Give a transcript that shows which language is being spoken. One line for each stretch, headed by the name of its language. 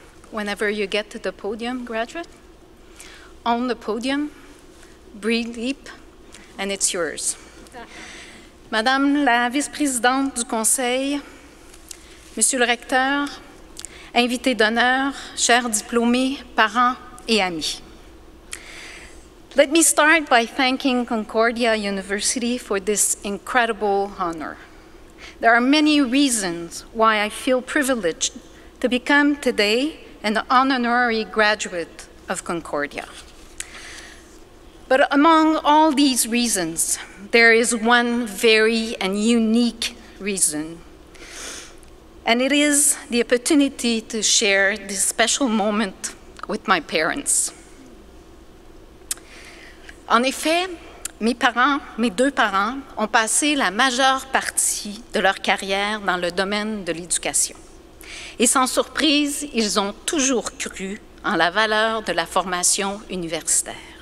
English: Whenever you get to the podium, graduate, on the podium, breathe deep, and it's yours.
French: Madame la vice-présidente du Conseil, Monsieur le recteur, invités d'honneur, chers diplômés, parents et amis.
English: Let me start by thanking Concordia University for this incredible honor. There are many reasons why I feel privileged to become today an honorary graduate of Concordia. But among all these reasons, there is one very and unique reason, and it is the opportunity to share this special moment with my parents.
French: En effet, mes parents, mes deux parents, ont passé la majeure partie de leur carrière dans le domaine de l'éducation. Et sans surprise, ils ont toujours cru en la valeur de la formation universitaire.